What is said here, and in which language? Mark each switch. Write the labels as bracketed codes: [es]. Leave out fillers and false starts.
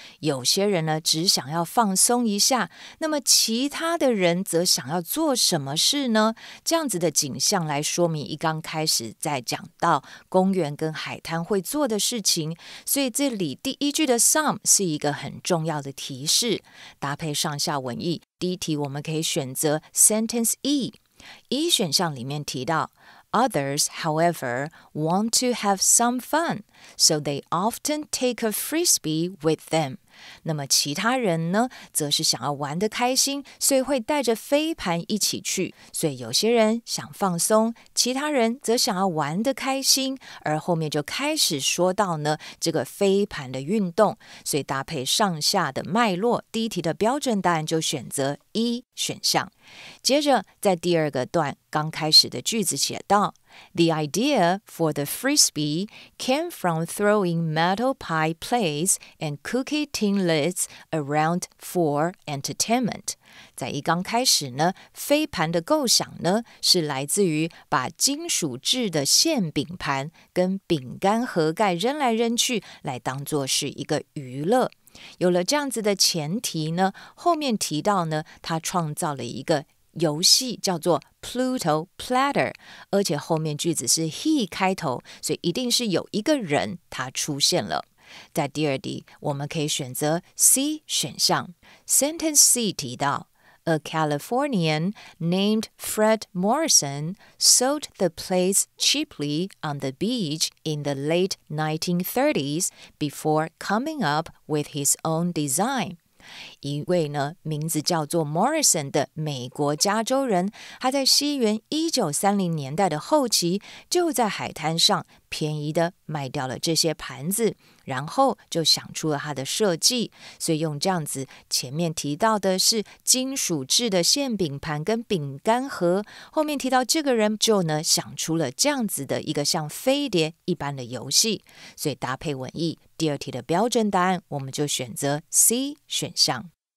[zh] 有些人呢只想要放松一下，那么其他的人则想要做什么事呢？这样子的景象来说明一刚开始在讲到公园跟海滩会做的事情，所以这里第一句的 some 是一个很重要的提示。搭配上下文意，第一题我们可以选择 sentence E。 [en] E [zh] 选项里面提到 [en] ，others, however, want to have some fun, so they often take a frisbee with them。 [zh] 那么其他人呢，则是想要玩得开心，所以会带着飞盘一起去。所以有些人想放松，其他人则想要玩得开心。而后面就开始说到呢，这个飞盘的运动。所以搭配上下的脉络，第一题的标准答案就选择一选项。接着在第二个段刚开始的句子写道 [en] The idea for the frisbee came from throwing metal pie plates and cookie tin lids around for entertainment. [zh] 在一刚开始呢，飞盘的构想呢，是来自于把金属制的馅饼盘跟饼干盒盖扔来扔去，来当作是一个娱乐。有了这样子的前提呢，后面提到呢，他创造了一个游戏叫做 Pluto Platter， 而且后面句子是 he 开头，所以一定是有一个人他出现了。在第二题，我们可以选择 C 选项。 [en] Sentence C [zh] 提到 [en] ，A Californian named Fred Morrison sold the place cheaply on the beach in the late 1930s before coming up with his own design。 [zh] 一位呢，名字叫做 Morrison 的美国加州人，他在西元1930年代的后期，就在海滩上便宜的卖掉了这些盘子，然后就想出了他的设计，所以用这样子前面提到的是金属制的馅饼盘跟饼干盒，后面提到这个人就呢想出了这样子的一个像飞碟一般的游戏，所以搭配文意，第二题的标准答案我们就选择 C 选项。